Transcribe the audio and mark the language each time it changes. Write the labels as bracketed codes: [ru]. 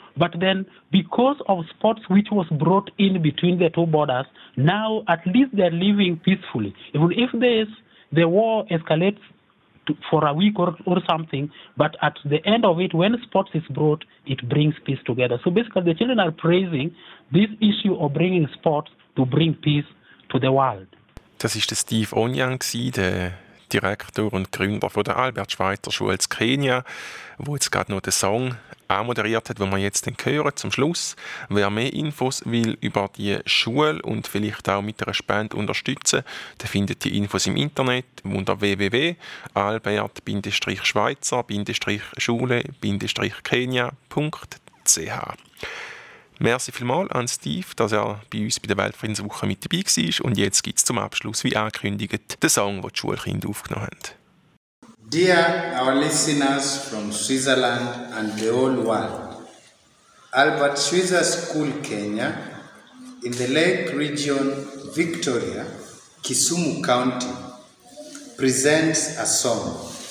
[en] But then because of sports which was brought in between the two borders, now at least they're living peacefully. Even if the war escalates for a week or something, but at the end of it, when sports is brought, it brings peace together. So basically, the children are praising this issue of bringing sports to bring peace to the world. [de] Das ist der Steve Onyang, der Direktor und Gründer von der Albert Schweitzer Schule in Kenia, wo jetzt gerade noch den Song auch moderiert hat, den wir jetzt hören zum Schluss. Wer mehr Infos will über die Schule und vielleicht auch mit einer Spende unterstützen, der findet die Infos im Internet unter www.albert-schweizer-schule-kenia.ch. Merci vielmals an Steve, dass er bei uns bei der Weltfriedenswoche mit dabei war. Und jetzt gibt es zum Abschluss, wie angekündigt, den Song, den die Schulkinder aufgenommen haben. [en] Dear our listeners from Switzerland and the whole world, Albert Schweitzer School Kenya in the Lake Region Victoria, Kisumu County, presents a song.